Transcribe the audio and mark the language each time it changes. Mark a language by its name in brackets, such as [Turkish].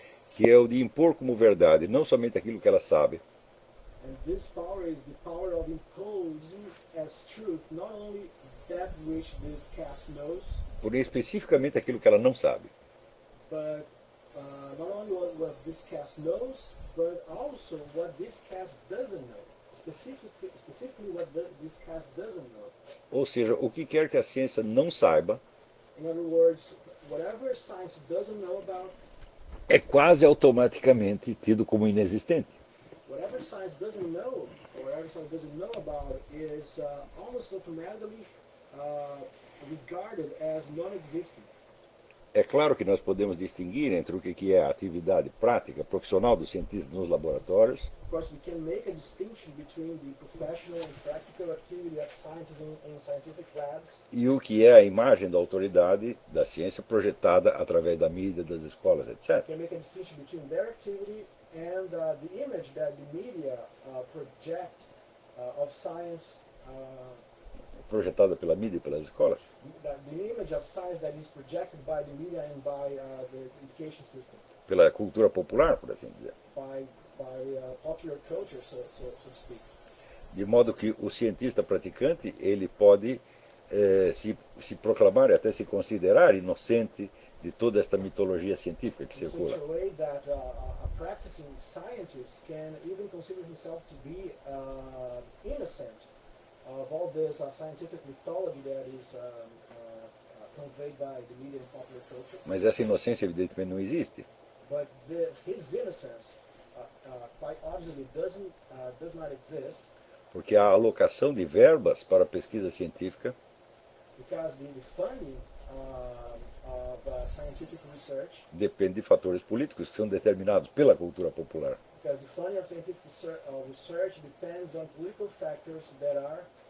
[Portuguese] Que é o de impor como verdade, não somente aquilo que ela sabe. [English] And this power is the power of imposing as truth, not only that which this caste knows, [Portuguese] porém especificamente aquilo que ela não sabe. [English] But not only what this caste knows, but also what this caste doesn't know. Specifically what this caste doesn't know. [Portuguese] Ou seja, o que quer que a ciência não saiba. [English] In other words, whatever science doesn't know about, [Portuguese] é quase automaticamente tido como inexistente. [English] Whatever science doesn't know, whatever science doesn't know about, is almost automatically regarded as non-existent. [Portuguese] É claro que nós podemos distinguir entre o que é a atividade prática, profissional dos cientistas nos laboratórios. [English] Of course, we can make a distinction between the professional and practical activity of scientists in scientific labs. [Portuguese] E o que é a imagem da autoridade da ciência projetada através da mídia, das escolas, etc. [English] We can make a distinction between their activity and the image that the media project of science. [Portuguese] Projetada pela mídia e pelas escolas. [English] The image of science that is projected by the media and by the education system. [Portuguese] Pela cultura popular, por assim dizer. [English] By popular culture, so to speak. [Portuguese] De modo que o cientista praticante, ele pode se proclamar e até se considerar inocente de toda esta mitologia científica que circula. [English] In such a way that a practicing scientist can even consider himself to be innocent of all this scientific mythology that is conveyed by the media and popular culture. [Portuguese] Mas essa inocência evidentemente não existe. [English] But his innocence quite obviously does not exist. [Portuguese] Porque a alocação de verbas para a pesquisa científica, [English] because the funding of scientific research, [Portuguese] depende de fatores políticos que são determinados pela cultura popular. [English] Because the funding of scientific research depends on political factors that are